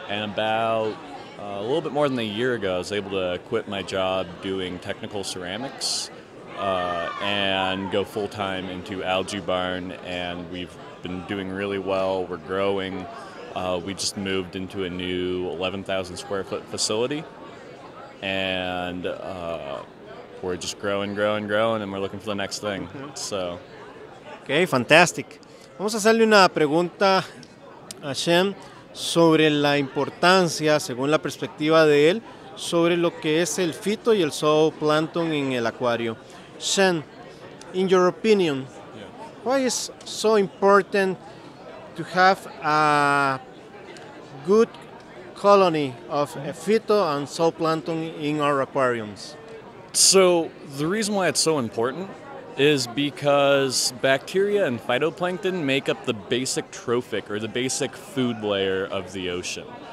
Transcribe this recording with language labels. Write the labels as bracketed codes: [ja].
[en] And about a little bit more than a year ago, I was able to quit my job doing technical ceramics and go full-time into AlgaeBarn, and we've been doing really well. We're growing. We just moved into a new 11,000 square foot facility, and we're just growing, and we're looking for the next thing. Okay, fantastic. [es] Vamos a hacerle una pregunta a Shem sobre la importancia, según la perspectiva de él, sobre lo que es el fito y el zooplancton en el acuario. [en] Shen, in your opinion, why is so important to have a good colony of a phyto and zooplancton in our aquariums? So the reason why it's so important is because bacteria and phytoplankton make up the basic trophic, or the basic food layer of the ocean.